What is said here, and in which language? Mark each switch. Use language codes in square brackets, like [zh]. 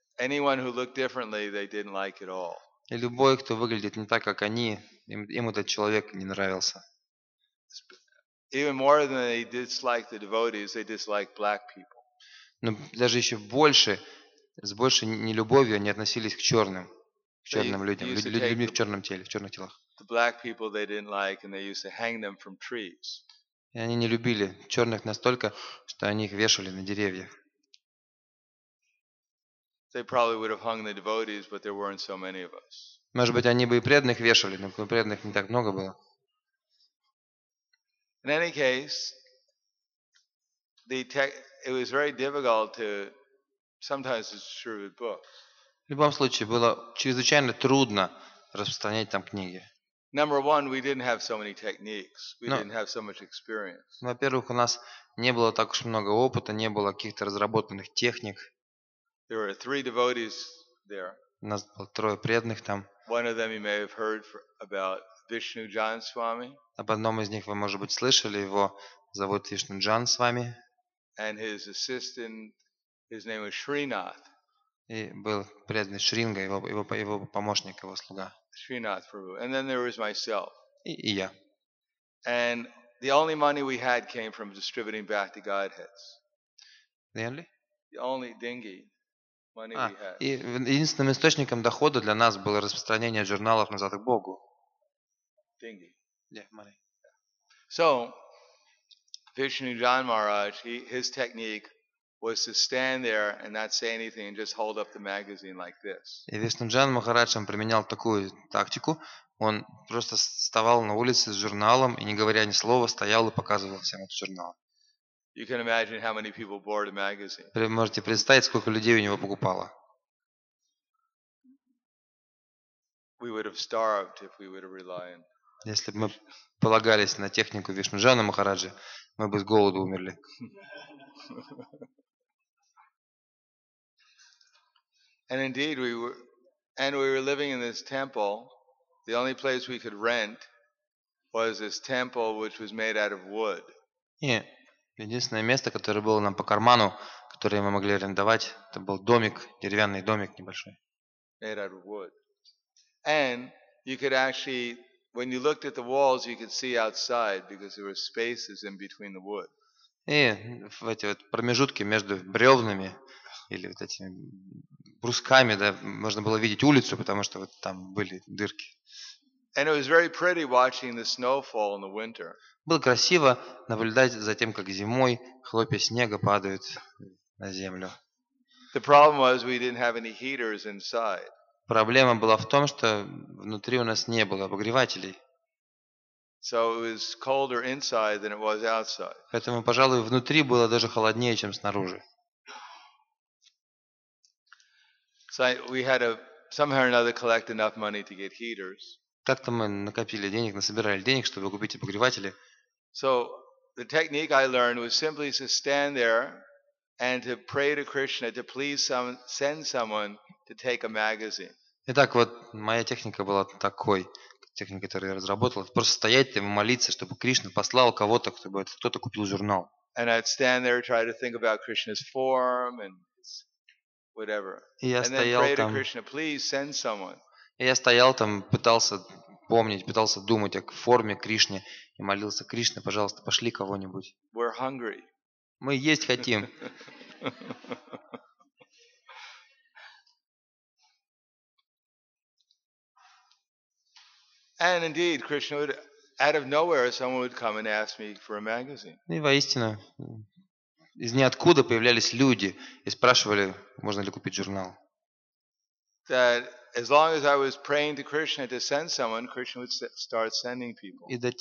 [en] Anyone who looked differently, they didn't like at all. [ru] И любой, кто выглядит не так, как они, им этот человек не нравился. [en] Even more than they dislike the devotees, they dislike black people. [ru] Но даже еще больше, с большей нелюбовью они относились к черным, к черным людям, людьми в черном теле, в черных телах. [en] The black people they didn't like, and they used to hang them from trees. [ru] И они не любили черных настолько, что они их вешали на деревьях. [en] They probably would have hung the devotees, but there weren't so many of us. [ru] Может быть, они бы и преданных вешали, но преданных не так много было. [en] In any case, it was very difficult to sometimes distribute books. [ru] В любом случае, было чрезвычайно трудно распространять там книги. [en] Number one, we didn't have so many techniques. We didn't have so much experience. [ru] Во-первых, у нас не было так уж много опыта, не было каких-то разработанных техник. [en] There were three devotees there. [ru] У нас было трое преданных там. [en] One of them you may have heard about, Vishnu Jan Swami. [ru] Об одном из них вы, может быть, слышали, его зовут Вишну Джан Свами. [en] And his assistant, his name was Shrinath. [ru] И был преданный Шринга, его помощник, его слуга. [en] Shrinath Prabhu. And then there was myself. [ru] И я. [en] And the only money we had came from distributing back to Godheads. The only dinghy. [ru] И единственным источником дохода для нас было распространение журналов назад к Богу. Деньги. [en] Yeah, money. So, Vishnu Jan Maharaj, his technique was to stand there and not say anything and just hold up the magazine like this. [ru] И Вишну Джан Махарадж применял такую тактику. Он просто вставал на улице с журналом и, не говоря ни слова, стоял и показывал всем этот журнал. [en] You can imagine how many people bought a magazine. [ru] Вы можете представить, сколько людей у него покупало. [en] We would have starved if we would have relied on. [ru] Если бы мы полагались на технику Вишну Джана Махараджи, мы бы с голоду умерли. [en] And indeed we were living in this temple. The only place we could rent was this temple which was made out of wood. Yeah. [ru] Единственное место, которое было нам по карману, которое мы могли арендовать, это был домик, деревянный домик небольшой. И в эти вот промежутки между бревнами или вот этими брусками, да, можно было видеть улицу, потому что вот там были дырки. [en] And it was very pretty watching the snowfall in the winter. [ru] Было красиво наблюдать за тем, как зимой хлопья снега падают на землю. [en] The problem was we didn't have any heaters inside. [ru] Проблема была в том, что внутри у нас не было обогревателей. [en] So it was colder inside than it was outside. [ru] Поэтому, пожалуй, внутри было даже холоднее, чем снаружи. [en] So we had to somehow or another collect enough money to get heaters. [ru] Как-то мы накопили денег, насобирали денег, чтобы купить обогреватели. [en] So the technique I learned was simply to stand there and to pray to Krishna to please send someone to take a magazine. [ru] Итак, вот моя техника была такой, техника, которую я разработал, просто стоять там и молиться, чтобы Кришна послал кого-то, чтобы кто-то купил журнал. [en] And I'd stand there try to think about Krishna's form and whatever. [ru] И я [en] and then [ru] стоял [en] pray [ru] там. [en] To Krishna, please send someone. [ru] И я стоял там, пытался помнить, пытался думать о форме Кришны и молился: Кришна, пожалуйста, пошли кого-нибудь. [en] We're hungry. [ru] Мы есть хотим. [en] And indeed, Krishna would, out of nowhere, someone would come and ask me for a magazine. [ru] И воистину, из ниоткуда появлялись люди и спрашивали, можно ли купить журнал. [en] that as long as I was praying to Krishna to send someone, Krishna would start sending people.